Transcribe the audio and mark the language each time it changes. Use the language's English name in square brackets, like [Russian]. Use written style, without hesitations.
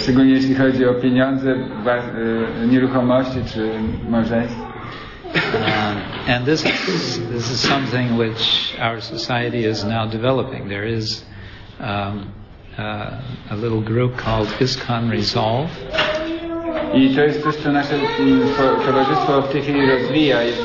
[Polish] Szczególnie jeśli chodzi o pieniądze, nieruchomości czy małżeństwo. [English] And this is something which our society is now developing. There is a little group called ISKCON Resolve. [Polish] I to jest coś, co nasze towarzystwo w tej chwili rozwija.